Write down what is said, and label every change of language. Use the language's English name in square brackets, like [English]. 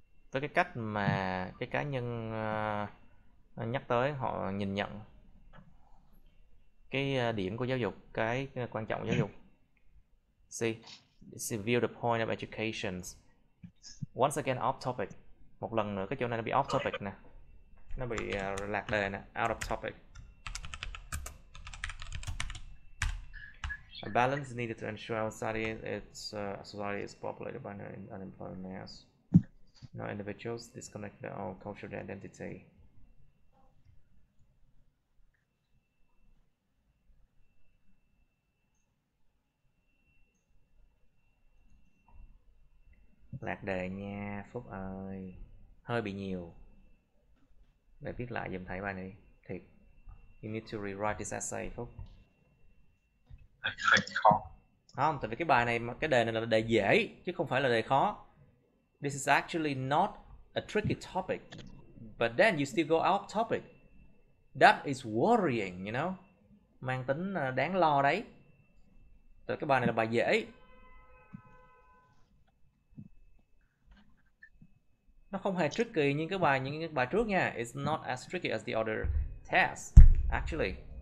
[Vietnamese] tới cái cách mà cái cá nhân nhắc tới họ nhìn nhận cái điểm của giáo dục, cái quan trọng của giáo dục. [English] See, see view the point of education. Once again off topic. [Vietnamese] Một lần nữa cái chỗ này nó bị off topic nè. Nó bị lạc đề nè, out of topic. [English] A balance needed to ensure our society is populated by no unemployed mass, no individuals disconnected our cultural identity. [Vietnamese] Lạc đề nha Phúc ơi, hơi bị nhiều. Để viết lại giùm thầy bài này thiệt. [English] You need to rewrite this essay [Vietnamese] Phúc. Không, tại vì cái bài này, cái đề này là đề dễ chứ không phải là đề khó. [English] This is actually not a tricky topic, but then you still go off topic. That is worrying, you know. [Vietnamese] Mang tính đáng lo đấy. Tại cái bài này là bài dễ. Nó không hề tricky như cái bài những cái bài trước nha. [English] It's not as tricky as the other test, actually.